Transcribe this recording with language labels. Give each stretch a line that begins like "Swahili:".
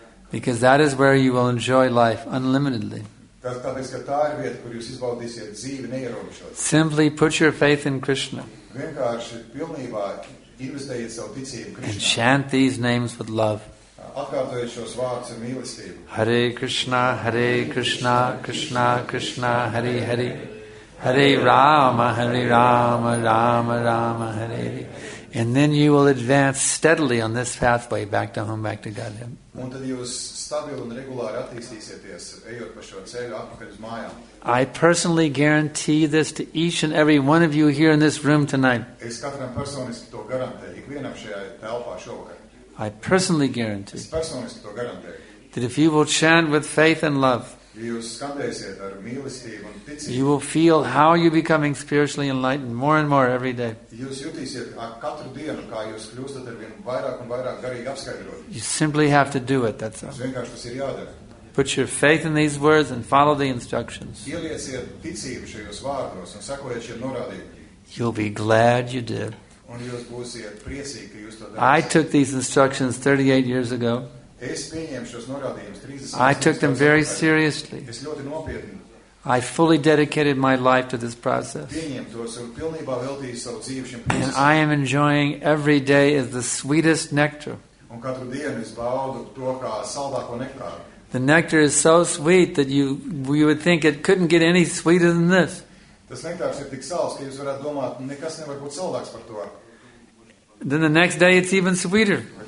English: Because that is where you will enjoy life unlimitedly.
Latvian: Tāpēc, ka tā ir vieta, kur jūs izbaudīsiet dzīvi neierobežot.
English: Simply put your faith in Krishna.
Latvian: Vienkārši pilnībā investējiet savu ticību Krishna.
English: And chant these names with love.
Latvian: Atkārtojiet šos vārdus ar mīlestību.
Sanskrit: Hare Krishna, Hare Krishna, Krishna Krishna, Hare Hare. Hare Rama, Hare Rama, Rama Rama, Hare Hare.
English: And then you will advance steadily on this pathway back to home, back to Godhead.
Latvian: Un tad jūs stabili un regulāri attīstīsieties, ejot pa šo ceļu atpakaļ uz mājām.
English: I personally guarantee this to each and every one of you here in this room tonight.
Latvian: Es katram personiski to garantēju, ikvienam šajā telpā šovakar.
English: I personally guarantee.
Latvian: Es personiski to garantēju.
English: That if you will chant with faith and love,
Latvian: jūs skandēsiet ar mīlestību un ticību.
English: You will feel how you becoming spiritually enlightened more and more every day.
Latvian: Jūs jūtīsiet katru dienu, kā jūs kļūstat ar vien vairāk un vairāk garīgi apskaidrot.
English: You simply have to do it, that's all.
Latvian: Vienkārši tas ir jādara.
English: Put your faith in these words and follow the instructions.
Latvian: Ieliesiet ticību šajos vārdos un sekojiet šiem norādījumiem.
English: You'll be glad you did.
Latvian: Un jūs būsiet priecīgi, ka jūs to darāt.
English: I took these instructions 38 years ago.
Latvian: Es pieņēmu šos norādījumus 30.
English: I took them very seriously.
Latvian: Es ļoti nopietni.
English: I fully dedicated my life to this process.
Latvian: Pieņēmu tos un pilnībā veltīju savu dzīvi šim procesam.
English: And I am enjoying every day as the sweetest nectar.
Latvian: Un katru dienu es baudu to kā saldāko nektāru.
English: The nectar is so sweet that you would think it couldn't get any sweeter than this.
Latvian: Tas nektārs ir tik sals, ka jūs varētu domāt, nekas nevar būt saldāks par to.
English: Then the next day it's even sweeter.